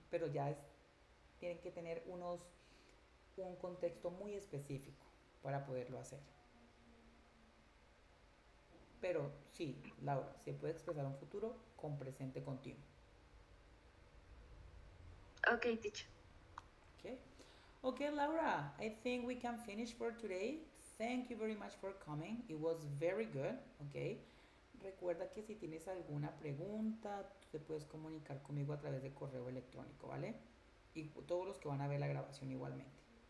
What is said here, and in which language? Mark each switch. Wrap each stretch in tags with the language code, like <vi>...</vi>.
<es>Pero ya es, tienen que tener un contexto muy específico para poderlo hacer. Pero sí, Laura, se puede expresar un futuro con presente continuo.</es> <en>Ok, teacher. Okay, Laura, I think we can finish for today. Thank you very much for coming. It was very good, okay?</en> <es>Recuerda que si tienes alguna pregunta, te puedes comunicar conmigo a través de correo electrónico, ¿vale? Y todos los que van a ver la grabación igualmente.</es>